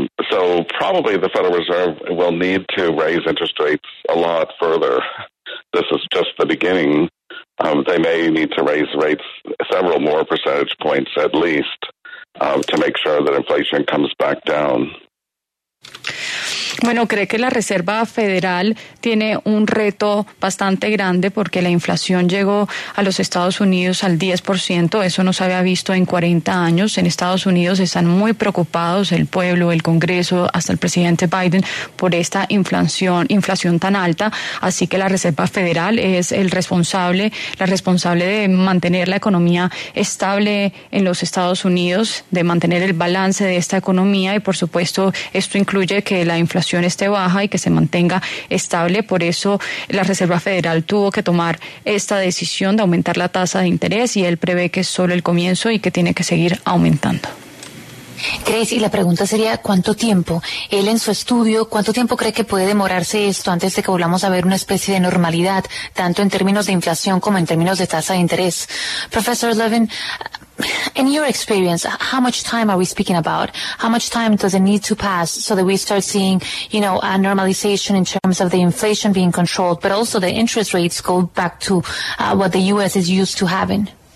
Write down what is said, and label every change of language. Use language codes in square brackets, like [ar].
[en] So probably the Federal Reserve will need to raise interest rates a lot further. This is just the beginning. They may need to raise rates several more percentage points at least to make sure that inflation comes back down. [es] Bueno, cree que la Reserva Federal tiene un reto bastante grande porque la inflación llegó a los Estados Unidos al 10%. Eso no se había visto en 40 años. En Estados Unidos están muy preocupados el pueblo, el Congreso, hasta el presidente Biden por esta inflación tan alta. Así que la Reserva Federal es la responsable de mantener la economía estable en los Estados Unidos, de mantener el balance de esta economía y, por supuesto, esto incluye que la inflación esté baja y que se mantenga estable. Por eso la Reserva Federal tuvo que tomar esta decisión de aumentar la tasa de interés y él prevé que es solo el comienzo y que tiene que seguir aumentando. Chris, y la pregunta sería, ¿cuánto tiempo? Él en su estudio, ¿cuánto tiempo cree que puede demorarse esto antes de que volvamos a ver una especie de normalidad, tanto en términos de inflación como en términos de tasa de interés? [en] Professor Levin, in your experience, how much time are we speaking about? How much time does it need to pass so that we start seeing, you know, a normalization in terms of the inflation being controlled, but also the interest rates go back to what the U.S. is used to having?